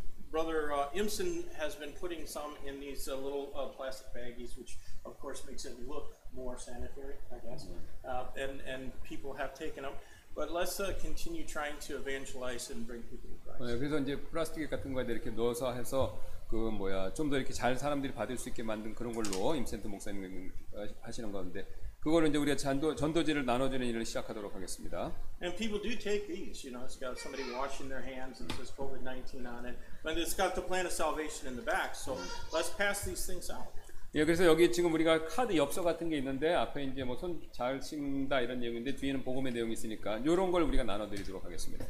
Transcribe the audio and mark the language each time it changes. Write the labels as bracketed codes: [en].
[en] Brother Imson has been putting some in these little plastic baggies, which of course makes it look more sanitary, I guess. And people have taken them. But let's continue trying to evangelize and bring people to Christ. [ko] 네, 그래서 이제 플라스틱 같은 거에 이렇게 넣어서 해서 그 뭐야 좀 더 이렇게 잘 사람들이 받을 수 있게 만든 그런 걸로 임센트 목사님 하시는 건데 그걸 이제 우리가 전도지를 나눠주는 일을 시작하도록 하겠습니다. [en] And people do take these, you know, it's got somebody washing their hands and says COVID-19 on it, but it's got the plan of salvation in the back. So let's pass these things out. [ko] 예, 그래서 여기 지금 우리가 카드 엽서 같은 게 있는데 앞에 이제 뭐 손 잘 씻는다 이런 내용인데 뒤에는 복음의 내용이 있으니까 이런 걸 우리가 나눠드리도록 하겠습니다.